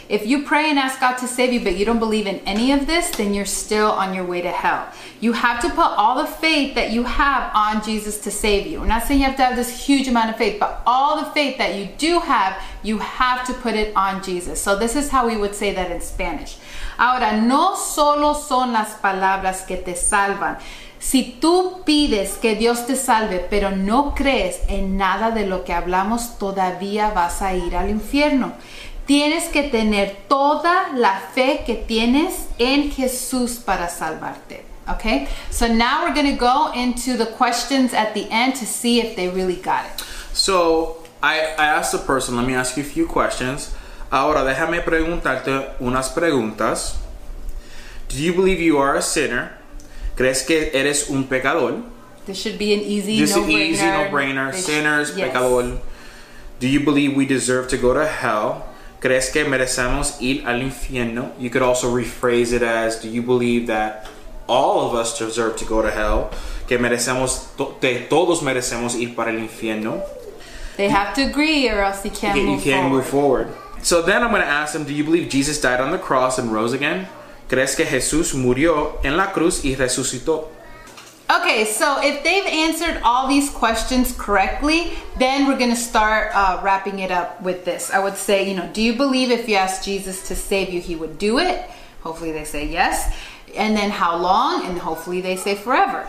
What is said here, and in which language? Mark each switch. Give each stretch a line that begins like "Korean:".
English: If you pray and ask God to save you, but you don't believe in any of this, then you're still on your way to hell. You have to put all the faith that you have on Jesus to save you. We're not saying you have to have this huge amount of faith, but all the faith that you do have, you have to put it on Jesus. So this is how we would say that in Spanish.
Spanish: Ahora, no solo son las palabras que te salvan. Si tú pides que Dios te salve, pero no crees en nada de lo que hablamos, todavía vas a ir al infierno. Tienes que tener toda la fe que tienes en Jesús para salvarte.
English: Okay? So now we're going to go into the questions at the end to see if they really got it. So I asked the person, let me ask you a few questions. Ahora déjame preguntarte unas preguntas. Do you believe you are a sinner?
Spanish: ¿Crees que eres un pecador?
English: This should be an easy no-brainer. This is an easy no-brainer. Sinners, yes. Pecador. Do you believe we deserve to go to hell? ¿Crees que merecemos ir al infierno? You could also rephrase it as, do you believe that all of us deserve to go to hell?
Spanish: ¿Que merecemos, todos merecemos ir para el infierno?
English: They have to agree or else you can't move forward. You can't move forward. So then I'm going to ask them, do you believe Jesus died on the cross and rose again?
Spanish: ¿Crees que Jesús murió en la cruz y resucitó?
English: Okay, so if they've answered all these questions correctly, then we're going to start wrapping it up with this. I would say, you know, do you believe if you ask Jesus to save you, he would do it? Hopefully they say yes. And then how long? And hopefully they say forever.